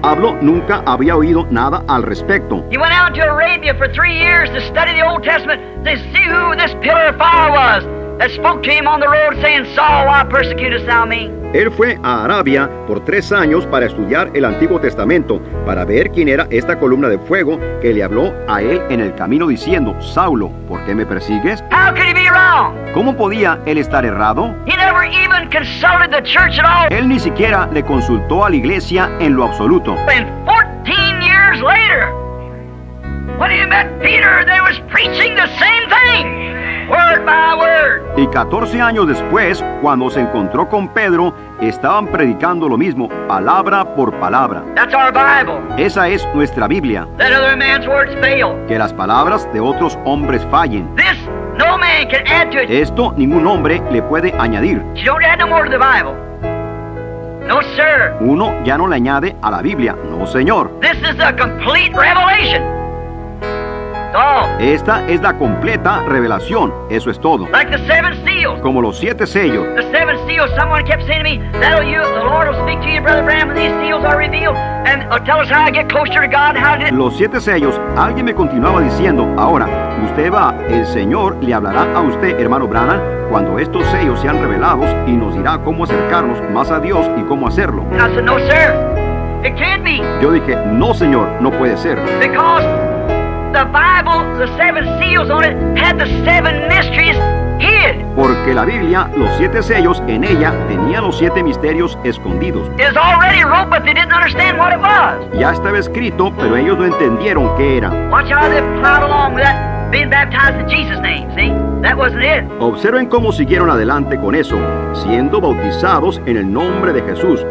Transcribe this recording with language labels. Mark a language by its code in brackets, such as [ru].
[es] Pablo nunca había oído nada al respecto. [en] He went out to Arabia for 3 years to study the Old Testament to see who this pillar of fire was that spoke to him on the road saying, Saul, why persecutest thou me? [es] Él fue a Arabia por 3 años para estudiar el Antiguo Testamento, para ver quién era esta columna de fuego que le habló a él en el camino diciendo, Saulo, ¿por qué me persigues? [en] How could he be wrong? [es] ¿Cómo podía él estar errado? [en] He never even consulted the church at all. [es] Él ni siquiera le consultó a la iglesia en lo absoluto. [en] And 14 years later, when he met Peter, they was preaching the same thing. Word by word. [es] Y 14 años después, cuando se encontró con Pedro, estaban predicando lo mismo, palabra por palabra. [en] That's our Bible. [es] Esa es nuestra Biblia. [en] That other man's words fail. [es] Que las palabras de otros hombres fallen. [en] This, no man can add to it. [es] Esto ningún hombre le puede añadir. [en] You don't add no more to the Bible. No, sir. [es] Uno ya no le añade a la Biblia. No, señor. [en] This is a complete revelation. [es] Esta es la completa revelación, eso es todo. [en] Like the seven seals. [es] Como los 7 sellos. [en] The seven seals, someone kept saying to me, that'll you, the Lord will speak to you, Brother Bram, when these seals are revealed, and tell us how I get closer to God, and how did... [es] Los 7 sellos, alguien me continuaba diciendo, ahora, usted va, el Señor le hablará a usted, hermano Branham, cuando estos sellos sean revelados, y nos dirá cómo acercarnos más a Dios y cómo hacerlo. [en] I said, no, sir, it can't be. [es] Yo dije, no, señor, no puede ser. [en] Because... the Bible, the seven seals on it, had the seven mysteries hid. [es] Porque la Biblia, los 7 sellos en ella, tenía los 7 misterios escondidos. [en] It's already wrote, but they didn't understand what it was. [es] Ya estaba escrito, pero ellos no entendieron qué era. [en] Watch how they plowed along with that being baptized in Jesus' name, see? That wasn't it. [es] Observen cómo siguieron adelante con eso, siendo bautizados en el nombre de Jesús.